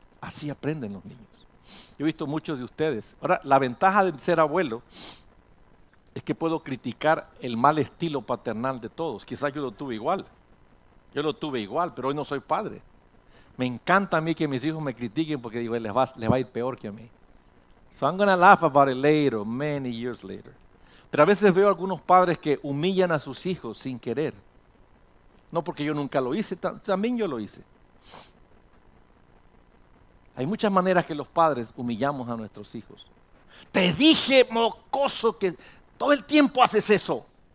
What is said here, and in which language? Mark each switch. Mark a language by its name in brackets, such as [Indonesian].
[Spanish] Así aprenden los niños. Yo he visto muchos de ustedes. Ahora, la ventaja de ser abuelo es que puedo criticar el mal estilo paternal de todos. Quizás yo lo tuve igual. Yo lo tuve igual, pero hoy no soy padre. Me encanta a mí que mis hijos me critiquen porque digo, les va a ir peor que a mí. [English] So I'm going to laugh about it later, many years later. [Spanish] Pero a veces veo algunos padres que humillan a sus hijos sin querer. No porque yo nunca lo hice, también yo lo hice. Hay muchas maneras que los padres humillamos a nuestros hijos. Te dije, mocoso, que todo el tiempo haces eso.